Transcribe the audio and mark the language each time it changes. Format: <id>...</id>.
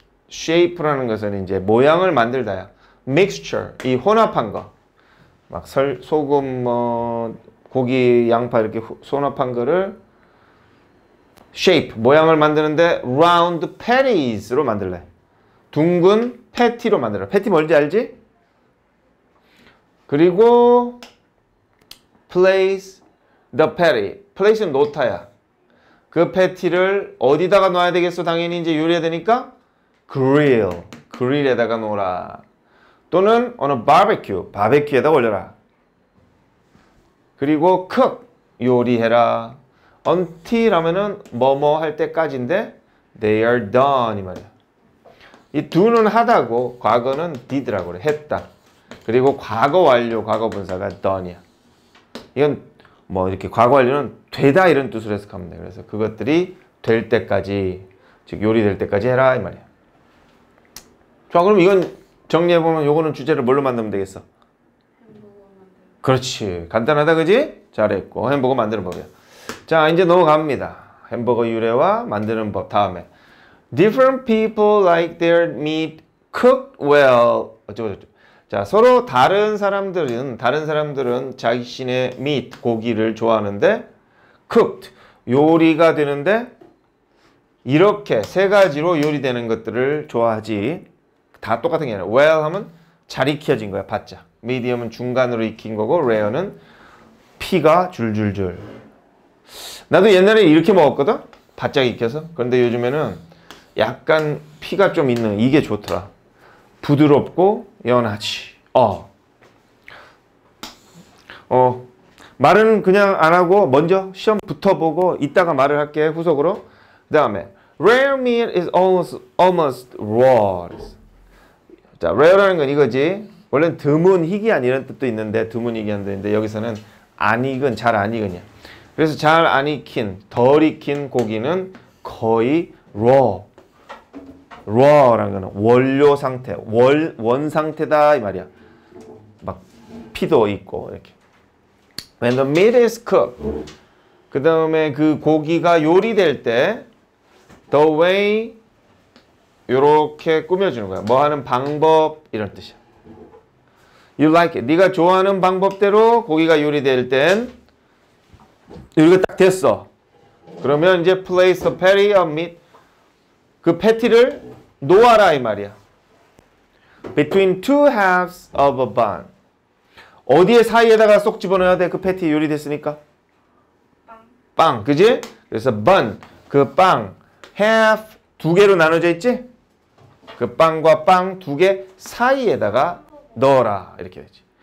<ko>shape라는 것은 이제 모양을 만들다야. mixture, 이 혼합한 거. 막 소금, 뭐, 고기, 양파 이렇게 혼합한 거를 shape, 모양을 만드는데</ko> <en>round patties</en> <ko>로 만들래. 둥근 패티로 만들어. 패티 뭔지 알지? 그리고</ko> <en>place the patty.</en> <ko>place는 놓다야. 그 패티를 어디다가 놔야 되겠어? 당연히 이제 요리해야 되니까 grill. grill에다가 놓으라. 또는</ko> <en>on a barbecue.</en> <ko>바베큐에다 올려라. 그리고 cook. 요리해라.</ko> <en>until</en> <ko>하면은 뭐뭐 할 때까지인데</ko> <en>they are done</en> <ko>이 말이야. 이 do는 하다고 과거는 did라고 그래. 했다. 그리고 과거 완료 과거 분사가 done이야. 이건 뭐 이렇게 과거 완료는 되다 이런 뜻으로 해석하면 돼. 그래서 그것들이 될 때까지 즉 요리될 때까지 해라 이 말이야. 좋아. 그럼 이건 정리해보면 요거는 주제를 뭘로 만들면 되겠어? 그렇지. 간단하다. 그지? 잘했고. 햄버거 만드는 법이야. 자, 이제 넘어갑니다. 햄버거 유래와 만드는 법 다음에.</ko> <en>Different people like their meat cooked well.</en> <ko>어쩌고저쩌고. 자, 서로 다른 사람들은 자신의 meat, 고기를 좋아하는데 cooked, 요리가 되는데 이렇게 세 가지로 요리되는 것들을 좋아하지. 다 똑같은 게 아니라 well 하면 잘 익혀진 거야, 바짝. medium은 중간으로 익힌 거고 rare는 피가 줄줄줄. 나도 옛날에 이렇게 먹었거든? 바짝 익혀서. 그런데 요즘에는 약간 피가 좀 있는 이게 좋더라. 부드럽고 연하지. 말은 그냥 안 하고 먼저 시험 붙어보고 이따가 말을 할게 후속으로. 그 다음에</ko> <en>rare meat is almost raw.</en> <ko>자, rare라는 건 이거지. 원래는 드문, 희귀한 이런 뜻도 있는데 드문, 희귀한 뜻인데 여기서는 안 익은, 잘 안 익은이야. 그래서 잘 안 익힌, 덜 익힌 고기는 거의 raw라는 거는 원료 상태, 원 상태다 이 말이야. 막 피도 있고 이렇게.</ko> <en>When the meat is cooked,</en> <ko>그 다음에 그 고기가 요리될 때</ko> <en>the way</en> <ko>요렇게 꾸며주는 거야. 뭐 하는 방법 이런 뜻이야.</ko> <en>You like it.</en> <ko>네가 좋아하는 방법대로 고기가 요리될 땐 요리가 딱 됐어. 그러면 이제</ko> <en>place a patty of meat.</en> <ko>그 패티를 놓아라 이 말이야.</ko> <en>Between two halves of a bun.</en> <ko>어디에 사이에다가 쏙 집어넣어야 돼? 그 패티 요리됐으니까. 빵. 그지? 그래서 bun. 그 빵. half 두 개로 나눠져 있지? 그 빵과 빵 두 개 사이에다가 넣어라 이렇게 되지.</ko>